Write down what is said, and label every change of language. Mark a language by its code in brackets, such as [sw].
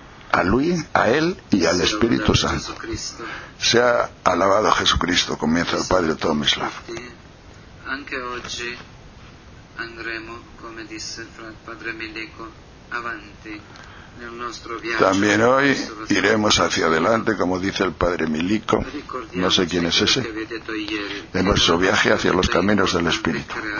[it] A lui, [es] a él y al Espíritu Santo. Sea alabado Jesucristo, comienza el padre Tomislav. [it] Anche oggi andremo, come disse il padre Meleco, avanti. [es] También hoy iremos hacia adelante, como dice el padre Milico, no sé quién es ese, en nuestro viaje hacia los caminos del Espíritu.